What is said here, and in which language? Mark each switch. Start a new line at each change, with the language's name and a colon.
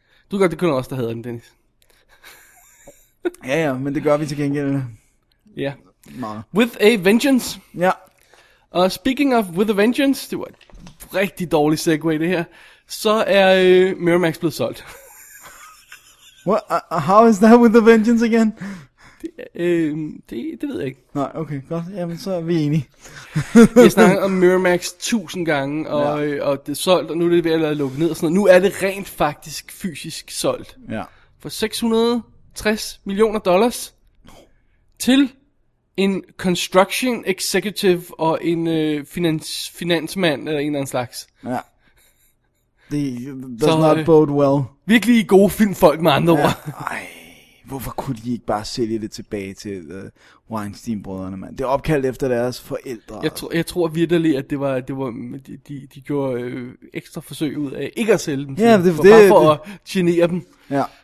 Danish: Du gør det kun også, der hedder den, Dennis. Ja, men det gør vi til gengæld. Ja. Meget.
English: With a Vengeance.
Danish: Ja. Og
English: speaking of
Danish: With a Vengeance, det var et rigtig dårligt segue, det her, så er Miramax blevet solgt.
English: What? How is that With a Vengeance again?
Danish: Det ved jeg ikke. Nej, okay, godt. Jamen, så er vi enige. Jeg snakker om Miramax 1000 gange, og det er solgt, og nu er det ved at lade lukke ned og sådan noget. Nu er det rent faktisk fysisk solgt. Ja. For 660 millioner dollars til en construction executive og en finansmand eller en eller anden slags. Ja. Det
English: does
Danish: så,
English: not bode well.
Danish: Virkelig gode filmfolk med andre ord. Hvorfor kunne de ikke bare sælge det tilbage til Weinstein-brødrene, mand? Det er opkaldt efter deres forældre. Jeg tror virkelig, at det var de gjorde ekstra forsøg ud af ikke at sælge dem. Ja, det var det. Bare for at genere dem. Ja.